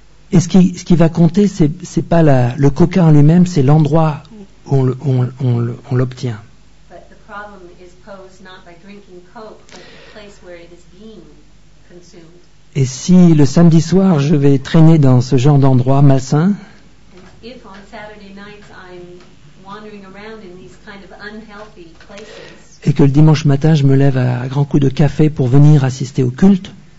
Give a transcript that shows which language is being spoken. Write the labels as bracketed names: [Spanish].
[French] Et ce qui va compter, c'est pas le coca en lui-même, c'est l'endroit où on l'obtient. [English] But the problem is posed not by drinking coke, but the place where it is being consumed. [French] Et si le samedi soir, je vais traîner dans ce genre d'endroit malsain, [English] if on Saturday nights I'm wandering around in these kind of unhealthy places, [French] et que le dimanche matin, je me lève à grands coups de café pour venir assister au culte,